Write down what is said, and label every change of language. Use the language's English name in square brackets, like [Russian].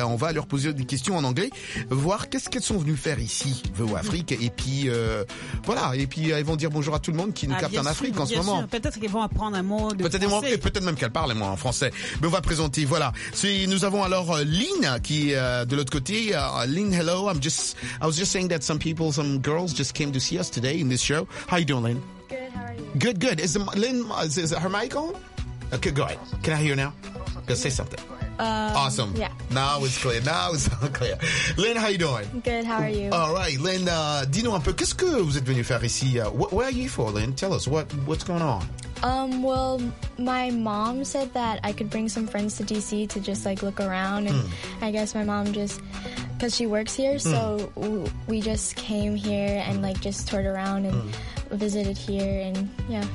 [French] On va leur poser des questions en anglais, voir qu'est-ce qu'elles sont venues faire ici, VO Afrique. Et puis, voilà. Et puis, elles vont dire bonjour à tout le monde qui nous capte en Afrique en ce moment. Peut-être qu'elles vont apprendre un mot de français. Peut-être même qu'elles parlent un mot en français. Mais on va présenter, voilà. Nous avons alors Lynn qui est de l'autre côté. [English] Lynn, hello. I was just saying that some girls just came to see us today in this show. How you doing, Lynn? Good, how are you? Good, good. Is Lynn, is her mic on? Okay, go ahead. Can I hear now? Go say something. Awesome. Yeah. Now it's clear. Lynn, how you doing? Good, how are you? All right. [French] Lynn, dis-nous un peu, qu'est-ce que vous êtes venu faire ici? [English] Where are you for, Lynn? Tell us, what's going on? Well, my mom said that I could bring some friends to D.C. to just, like, look around. And I guess my mom just because she works here. Mm. So we just came here and like just toured around and visited here and yeah.